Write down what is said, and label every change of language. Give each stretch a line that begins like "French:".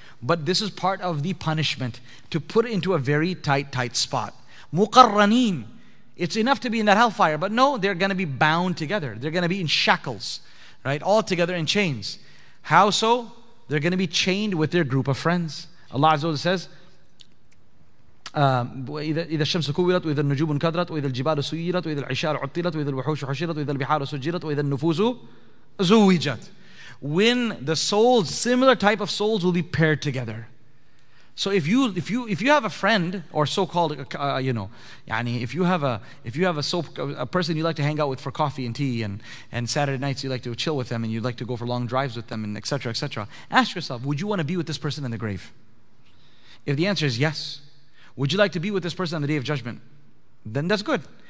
English: But this is part of the punishment, to put it into a very tight spot. Muqarraneen. It's enough to be in that hellfire, but no, they're going to be bound together. They're going to be in shackles, right? All together in chains. How so? They're going to be chained with their group of friends. Allah Azza wa Jalla says,
Arabic: إذا الشمس كولت وإذا النجوم انكدرت وإذا الجبال سيرت وإذا العشار عطلت وإذا الوحوش حشرت وإذا البحار سجرت وإذا النفوس زوجت.
English: When the souls, similar type of souls, will be paired together. So if you have a friend or so-called if you have a person you like to hang out with for coffee and tea and Saturday nights you like to chill with them and you'd like to go for long drives with them and etc. ask yourself, would you want to be with this person in the grave? If the answer is yes, would you like to be with this person on the day of judgment? Then that's good.